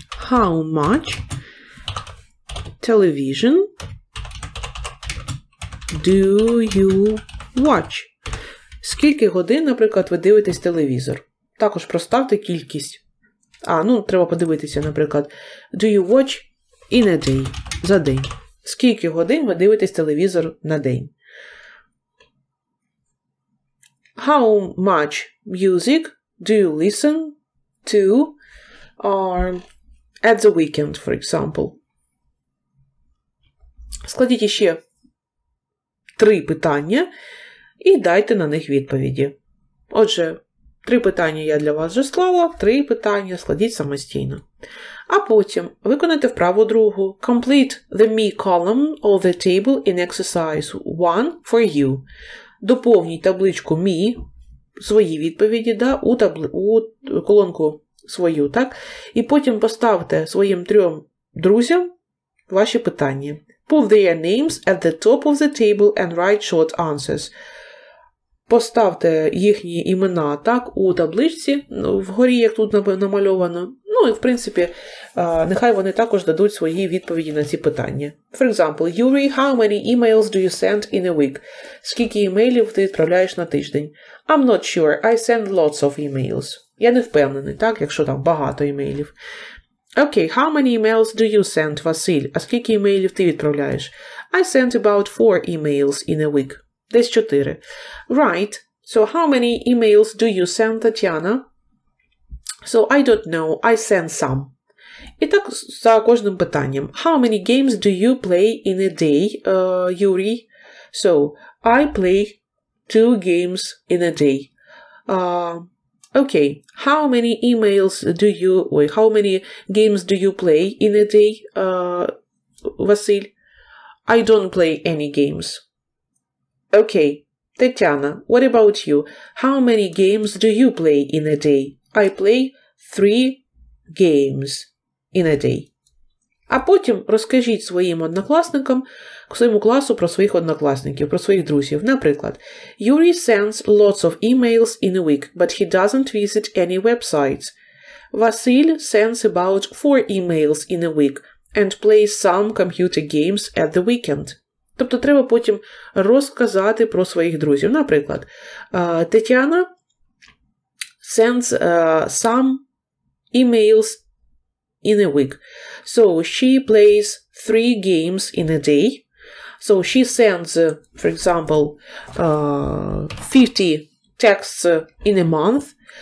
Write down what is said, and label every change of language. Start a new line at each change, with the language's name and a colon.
English: How much television do you watch?
Ukrainian: Скільки годин, наприклад, ви дивитесь телевізор? Також проставте кількість. А, ну, треба подивитися, наприклад,
English: do you watch in a day,
Ukrainian: за день. Скільки годин ви дивитесь телевізор на день?
English: How much music do you listen to at the weekend, for example?
Ukrainian: Складіть ще три питання і дайте на них відповіді. Отже, три питання я для вас вже склала, три питання складіть самостійно. А потім виконайте вправу другу.
English: Complete the me column of the table in exercise 1 for you.
Ukrainian: Доповніть табличку me, свої відповіді, да, у колонку свою, так? І потім поставте своїм трьом друзям ваші питання.
English: Put their names at the top of the table and write short answers.
Ukrainian: Поставте їхні імена так у табличці, вгорі, як тут намальовано. Ну і, в принципі, нехай вони також дадуть свої відповіді на ці питання.
English: For example, Yuri, how many emails do you send in a week?
Ukrainian: Скільки емейлів ти відправляєш на тиждень?
English: I'm not sure, I send lots of emails.
Ukrainian: Я не впевнений, так, якщо там багато емейлів.
English: Okay, how many emails do you send, Василь?
Ukrainian: А скільки емейлів ти відправляєш?
English: I send about 4 emails in a week.
Ukrainian: Десь 4.
English: Right, so how many emails do you send, Tatiana? So I don't know, I send some.
Ukrainian: І так за кожним питанням.
English: How many games do you play in a day, Yuri? So, I play 2 games in a day. Okay, how many emails do you, wait, how many games do you play in a day, Василь? I don't play any games. Okay, Тетяна, what about you? How many games do you play in a day? I play 3 games in a day.
Ukrainian: А потім розкажіть своїм однокласникам, своєму класу про своїх однокласників, про своїх друзів. Наприклад,
English: Yuri sends lots of emails in a week, but he doesn't visit any websites. Василь sends about 4 emails in a week and plays some computer games at the weekend.
Ukrainian: Тобто треба потім розказати про своїх друзів. Наприклад,
English: Тетяна sends some emails in a week. So she plays 3 games in a day. So she sends, for example, 50 texts in a month.